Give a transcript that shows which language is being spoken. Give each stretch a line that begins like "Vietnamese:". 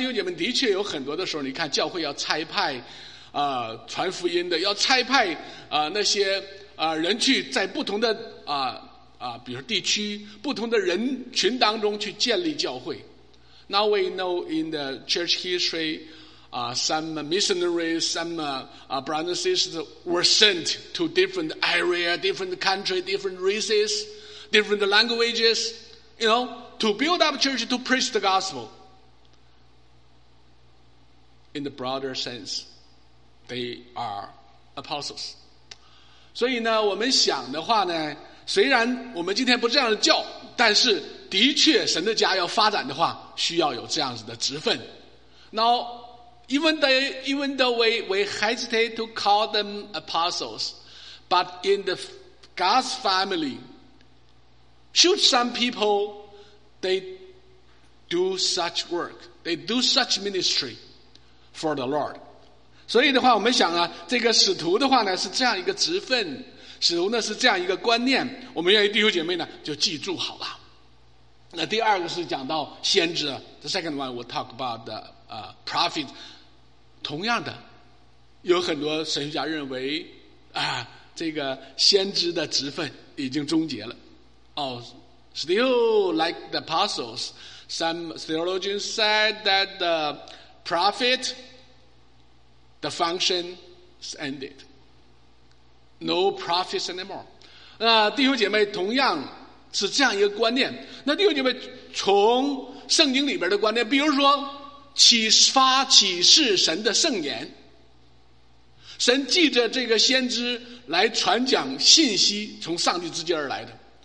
Chinese: 但是弟兄姐妹的确有很多的时候, 你看教会要差派, 传福音的, 要差派, 那些, 人去在不同的, 比如地区, 不同的人群当中去建立教会。
English: Now we know in the church history, some missionaries, some brothers and sisters were sent to different areas, different countries, different races, different languages, you know, to build up church, to preach the gospel. In the broader sense, they are apostles.
Chinese: 所以呢, 我们想的话呢, 虽然我们今天不这样的叫, 但是的确神的家要发展的话, 需要有这样子的职分。
English: Now, even though we hesitate to call them apostles, but in the God's family, should some people, they do such work, they do such ministry for the Lord.
Chinese: 所以的话, 我们想啊, 这个使徒的话呢, 是这样一个职分, 使徒呢, 是这样一个观念, 我们愿意弟兄姐妹呢, 就记住好了。那第二个是讲到先知,
English: the second one will talk about the prophet.
Chinese: 同样的, 有很多神学家认为, 这个先知的职分已经终结了。
English: Oh, still like the apostles, some theologians said that the prophet, the function is ended. No prophets anymore.
Chinese: 弟兄姐妹同样是这样一个观念。那弟兄姐妹从圣经里边的观念, 比如说启示神的圣言, 神借着这个先知来传讲信息, 从上帝之间而来的。